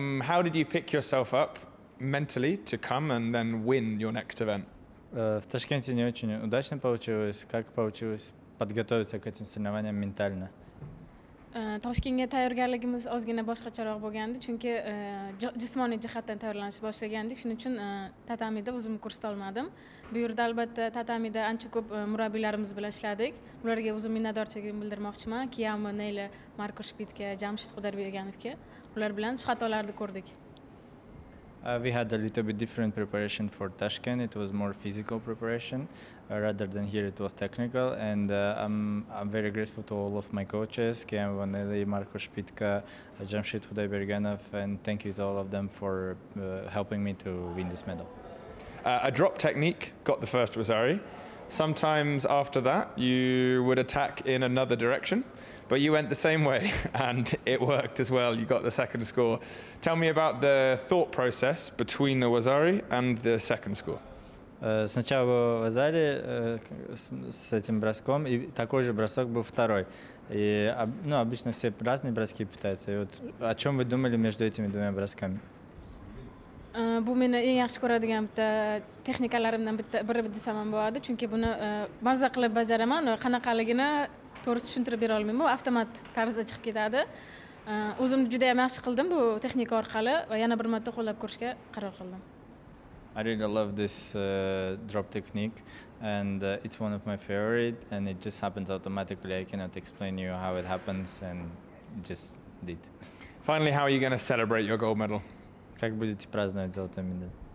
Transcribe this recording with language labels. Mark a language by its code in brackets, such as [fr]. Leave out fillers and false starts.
[en] How did you pick yourself up mentally to come and then win your next event? [ru] В Ташкенте не очень удачно получилось. Как получилось подготовиться к этим соревнованиям ментально? [uz] Toshkentga tayyorgarligimiz ozgina boshqacharoq bo'lgandi, chunki jismoniy jihatdan tayyorlanish boshlagandik. Shuning uchun tatamida o'zimni ko'rsata olmadim. Bu yerda albatta tatamida ancha ko'p murabbiylarimiz bilan ishladik. Ularga o'zim minnatdorchiligimni bildirmoqchiman. Kiyamni Neyla, Marko Shpitga, Jamshid Qudarberganovga. Ular bilan shu xatolarni ko'rdik. [en] We had a little bit different preparation for Tashkent. It was more physical preparation rather than here it was technical. And I'm very grateful to all of my coaches, Kiam Vanelli, Marko Špitka, Jamshid Hudaybergenov, and thank you to all of them for helping me to win this medal. A drop technique got the first Wazari. Sometimes after that, you would attack in another direction, but you went the same way and it worked as well. You got the second score. Tell me about the thought process between the Wazari and the second score. [ru] Сначала был Вазари с этим броском, и такой же бросок был второй. И, ну, обычно все разные броски пытаются. И вот о чем вы думали между этими двумя бросками? [uz] Bu meni eng yaxshi ko'radigan bitta texnikalarimdan biri desam ham bo'ladi, chunki buni mazza qilib bajaraman va qanaqaligini to'g'ri tushuntirib bera olmayman. Bu avtomat tarzda chiqib ketadi. O'zimni juda ham yaxshi qildim bu texnika orqali va yana bir marta qo'llab ko'rishga qaror qildim. [en] I really love this drop technique and it's one of my favorite and it just happens automatically. I cannot explain you how it happens and just did. Finally, how are you going to celebrate your gold medal? [ru] Как будете праздновать золотую медаль?